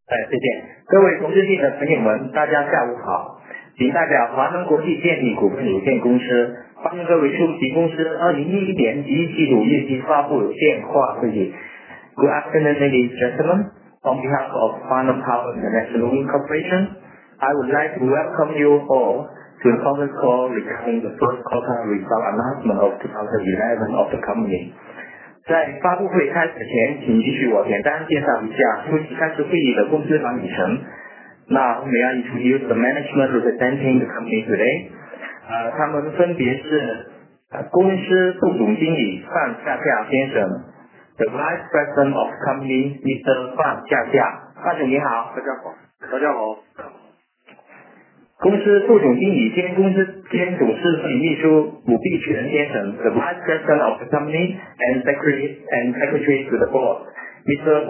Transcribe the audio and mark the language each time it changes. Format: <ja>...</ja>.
<zh>谢谢各位投资界的朋友们，大家下午好。谨代表华能国际电力股份有限公司，欢迎各位出席公司2011年第一季度业绩发布电话会议。</zh> <en>Good afternoon, ladies and gentlemen. On behalf of Hua Neng Power International Holding Corporation, I would like to welcome you all to the conference call regarding the first quarter result announcement of 2011 of the company.</en> <zh>在发布会开始前，请允许我简单介绍一下出席开始会议的公司管理层。</zh> <en>Now, may I introduce the management representing the company today?</en> <zh>他们分别是公司副总经理范夏夏先生。</zh> <en>The Vice President of Company, Mr. Fan Xiaxia.</en> <zh>范总你好。大家好。公司副总经理兼公司兼董事会秘书武碧泉先生。</zh> <en>The Vice President of the Company and Secretary to the Board, Mr.</en>